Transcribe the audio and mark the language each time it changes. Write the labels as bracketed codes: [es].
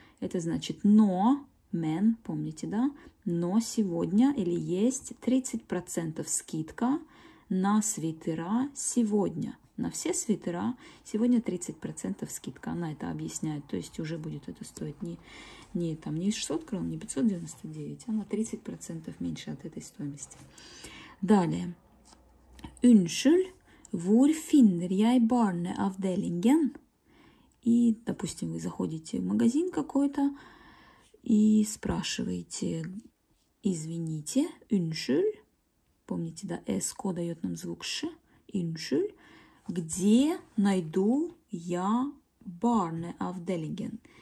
[ru] Это значит но, men, помните, да? Но сегодня или есть 30% скидка на свитера сегодня. На все свитера сегодня 30% скидка. Она это объясняет. То есть уже будет это стоить не 600 крон, не 599, а на 30% меньше от этой стоимости. Далее. Unnskyld. [no] Hvor finner jeg barneavdelingen? [ru] И, допустим, вы заходите в магазин какой-то и спрашиваете, извините, unnskyld, помните, да, S-ко дает нам звук Ш, unnskyld, где найду я barneavdelingen?